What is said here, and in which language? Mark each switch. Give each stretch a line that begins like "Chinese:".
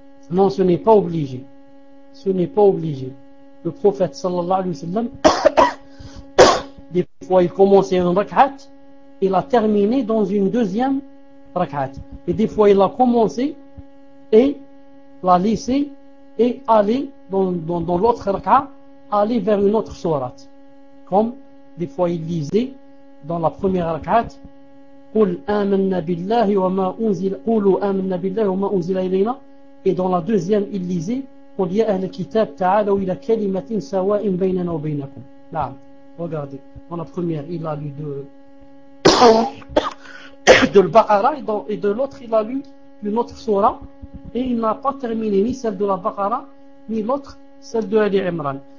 French: Non, ce n'est pas obligé. Le prophète sallallahu alayhi wa sallam, des fois il commençait une raka il a terminé dans une deuxième rak'at. Et des fois, il a commencé et l'a laissé et allé dans l'autre rak'at, aller vers une autre surat. Comme des fois, il disait dans la première rak'at,
Arabic: قُلْ آمَنَّ بِاللَّهِ وَمَا أُنْزِلَ قُلُوا آمَنَّ بِاللَّهِ وَمَا أُنْزِلَ إِلَيْنَا.
French: Et dans la deuxième, il lisait
Arabic: قُلْ يَا أَهْلَ كِتَابَ تَعَالَوْا إِلَى كَلِمَةٍ سَوَاءٍ بَيْنَنَا وَبَيْنَكُمْ.
French: Là, regardez, dans la première, il a lu de l'Baqara et de l'autre, il a lu une autre surah et il n'a pas terminé ni celle de la Baqara ni l'autre, celle de Ali Imran.